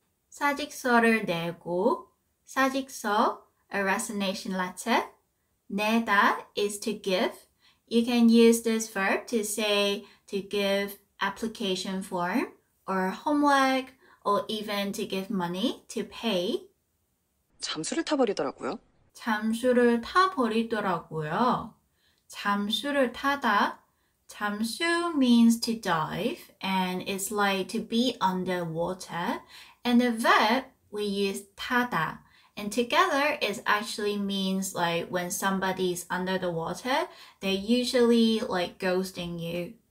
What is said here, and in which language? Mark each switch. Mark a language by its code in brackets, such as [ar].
[ko] 사직서를 내고. 사직서. [en] A resignation letter. 내다 is to give. You can use this verb to say to give application form or homework or even to give money to pay. [ko] 잠수를 타버리더라고요. 잠수를 타버리더라고요. 잠수를 타다. [en] 잠수 means to dive and it's like to be underwater. And the verb we use 타다. And together is actually means like when somebody's under the water, they usually like ghosting you.